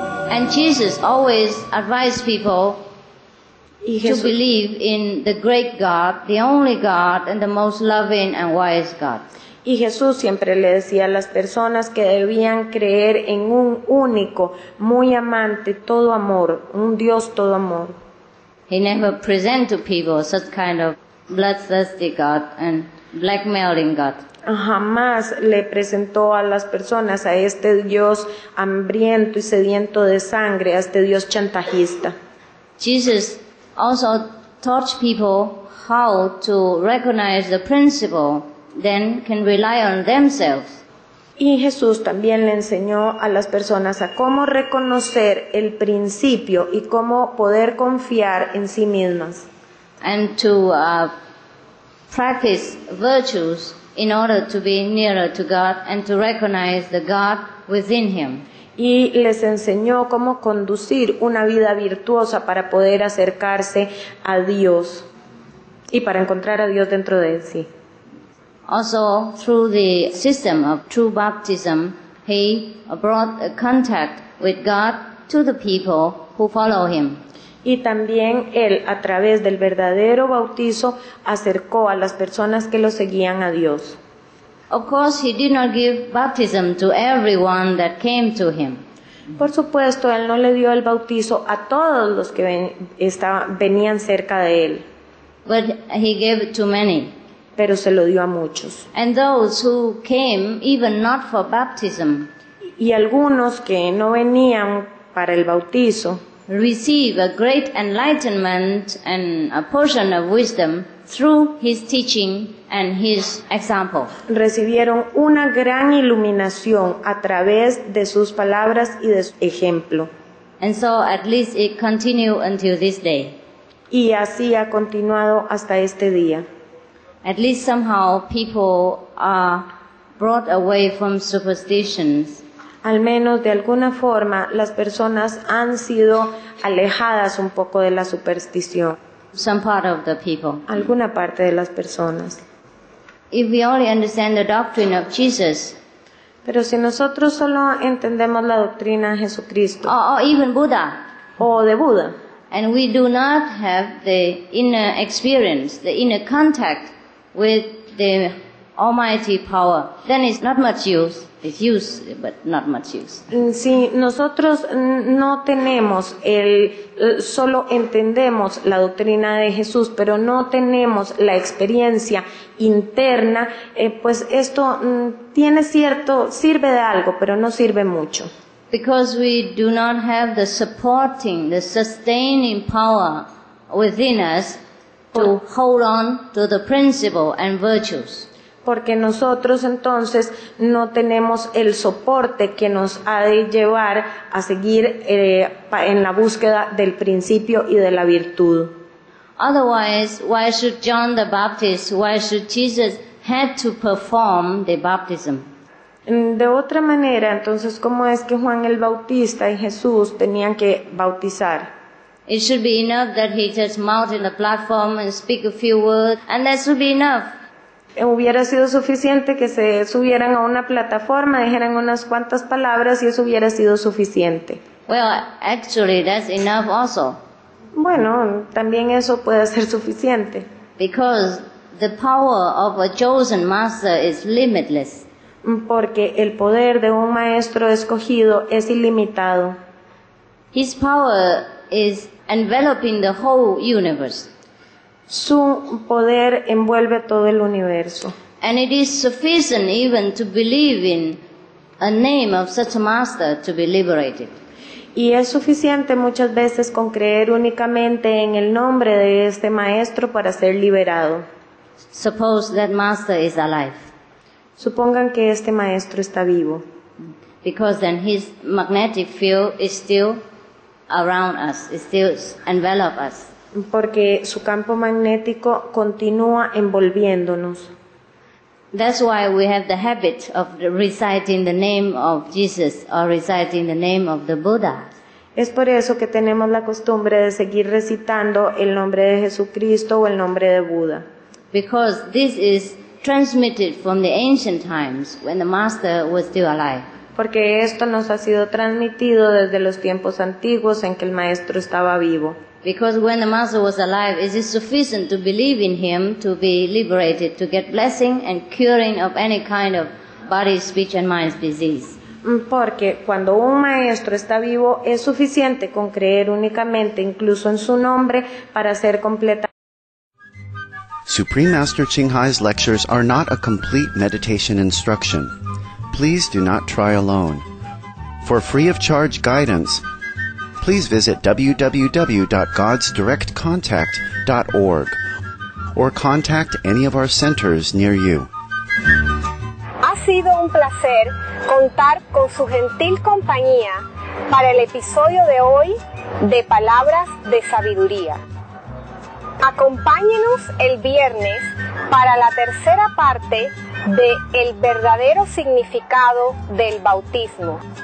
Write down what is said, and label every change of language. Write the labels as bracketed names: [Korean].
[English] And Jesus always advised people to believe in the great God, the only God, and the most loving and wise God. [Spanish] Y Jesús siempre le decía a las personas que debían creer en un único, muy amante, todo amor, un Dios todo amor. [English] He never presented to people such kind of bloodthirsty God and blackmailing God. [Spanish] Jamás le presentó a las personas a este Dios hambriento y sediento de sangre, a este Dios chantajista. [English] Jesus also taught people how to recognize the principle, then can rely on themselves. [Spanish] Y Jesús también le enseñó a las personas a cómo reconocer el principio y cómo poder confiar en sí mismas. [English] And to practice virtues in order to be nearer to God and to recognize the God within him. [Spanish] Y les enseñó cómo conducir una vida virtuosa para poder acercarse a Dios y para encontrar a Dios dentro de sí. [English] Also, through the system of true baptism, he brought a contact with God to the people who follow him. [Spanish] Y también él, a través del verdadero bautizo, acercó a las personas que lo seguían a Dios. [English] Of course, he did not give baptism to everyone that came to him. [Spanish] Por supuesto, él no le dio el bautizo a todos los que venían cerca de él. [English] But he gave to many. [Spanish] Pero se lo dio a muchos. [English] And those who came even not for baptism. [Spanish] Y algunos que no venían para el bautizo. [English] receive a great enlightenment and a portion of wisdom through his teaching and his example. [Spanish] Recibieron una gran iluminación a través de sus palabras y de su ejemplo. [English] And so at least it continued until this day. [Spanish] Y así ha continuado hasta este día. [English] At least somehow people are brought away from superstitions. [Spanish] Al menos de alguna forma las personas han sido alejadas un poco de la superstición. [English] Some part of the people. [Spanish] Alguna parte de las personas. [English] If we only understand the doctrine of Jesus. [Spanish] Pero si nosotros solo entendemos la doctrina de Jesucristo. [English] Or even Buddha. [Spanish] O de Buda. [English] And we do not have the inner experience, the inner contact with the almighty power, then it's not much use. It's use, but not much use. [Spanish] Si nosotros no tenemos el, solo entendemos la doctrina de Jesús, pero no tenemos la experiencia interna, pues esto tiene cierto, sirve de algo, pero no sirve mucho. [English] Because we do not have the supporting, the sustaining power within us to hold on to the principle and virtues. [Spanish] Porque nosotros entonces no tenemos el soporte que nos ha de llevar a seguir en la búsqueda del principio y de la virtud. [English] Otherwise, why should John the Baptist, why should Jesus have to perform the baptism? [Spanish] De otra manera, entonces, ¿cómo es que Juan el Bautista y Jesús tenían que bautizar? [English] It should be enough that he just mount in the platform and speak a few words, and that should be enough. [Spanish] Hubiera sido suficiente que se subieran a una plataforma, dijeran unas cuantas palabras y eso hubiera sido suficiente. [English] Well, actually, that's enough also. [Spanish] Bueno, también eso puede ser suficiente. [English] Because the power of a chosen master is limitless. [Spanish] Porque el poder de un maestro escogido es ilimitado. [English] His power is enveloping the whole universe. [Spanish] Su poder envuelve todo el universo. [English] And it is sufficient even to believe in a name of such a master to be liberated. [Spanish] Y es suficiente muchas veces con creer únicamente en el nombre de este maestro para ser liberado. [English] Suppose that master is alive. [Spanish] Supongan que este maestro está vivo. [English] Because then his magnetic field is still around us, it still envelops us. [Spanish] Porque su campo magnético continúa envolviéndonos. [English] That's why we have the habit of reciting the name of Jesus or reciting the name of the Buddha. [Spanish] Es por eso que tenemos la costumbre de seguir recitando el nombre de Jesucristo o el nombre de Buda. [English] Because this is transmitted from the ancient times when the master was still alive. [Spanish] Porque esto nos ha sido transmitido desde los tiempos antiguos en que el maestro estaba vivo. [English] Because when the master was alive, is it sufficient to believe in him to be liberated, to get blessing and curing of any kind of body, speech and mind disease? [Spanish] Porque cuando un maestro está vivo, es suficiente con creer únicamente, incluso en su nombre, para ser completa. [English] Supreme Master Qinghai's lectures are not a complete meditation instruction. Please do not try alone. For free of charge guidance, please visit www.godsdirectcontact.org or contact any of our centers near you. [Spanish] Ha sido un placer contar con su gentil compañía para el episodio de hoy de Palabras de Sabiduría. Acompáñenos el viernes para la tercera parte de El Verdadero Significado del Bautismo.